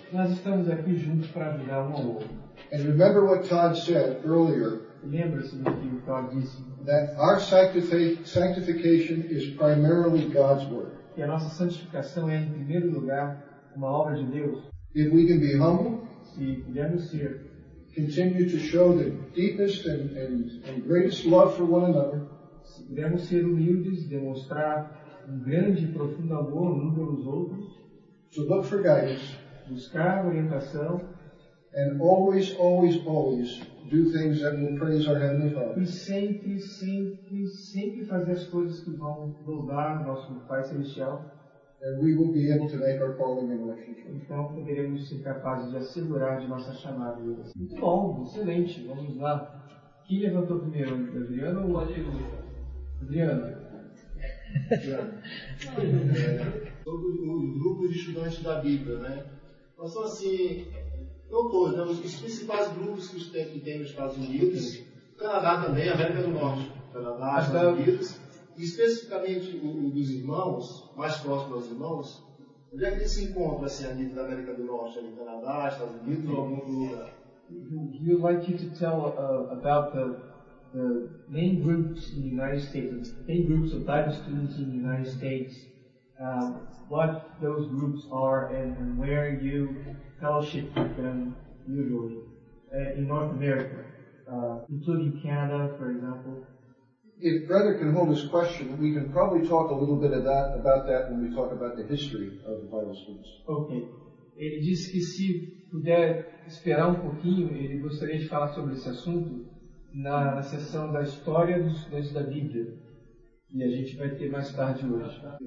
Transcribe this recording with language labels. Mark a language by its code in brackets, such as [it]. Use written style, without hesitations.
[pt] Nós estamos aqui juntos para ajudar um ao outro. [en] And remember what Todd said earlier. [pt] Lembre-se do que o Todd disse. [en] That our sanctification is primarily God's work. [pt] Que a nossa santificação é, em primeiro lugar, uma obra de Deus. [en] If we can be humble, [pt] se pudermos ser, [en] continue to show the deepest and greatest love for one another, [pt] se pudermos ser humildes, demonstrar grande e profundo amor uns pelos outros, [en] so look for guidance, [pt] buscar orientação, [en] and always, always, always do things that will praise our Heavenly Father. [pt] E sempre, sempre, sempre fazer as coisas que vão louvar nosso Pai Celestial. [en] And we will be able to make our calling in relationship. [pt] Então, poderemos ser capazes de assegurar de nossa chamada. Muito bom, excelente. Vamos lá. Quem levantou primeiro? Adriano ou Adriano? Adriano. Todo o grupo de estudantes da Bíblia, né? Mas só assim, não todos, né? Os principais grupos que tem nos Estados Unidos, Canadá também, América do Norte, Canadá, Estados Unidos, e especificamente o dos irmãos, mais próximos aos irmãos, onde é que eles se encontram assim, ali na América do Norte, ali, Canadá, Estados Unidos, ou algum lugar? [en] You like you to tell about the main groups in the United States, the main groups of Bible students in the United States, what those groups are and where you fellowship with them usually in North America, including Canada, for example. If Brother can hold his question, we can probably talk a little bit of that, about that when we talk about the history of the Bible students. Okay. [pt] Ele disse que se puder esperar um pouquinho, ele gostaria de falar sobre esse assunto na sessão da história dos estudantes da Bíblia. E a gente vai ter mais tarde hoje.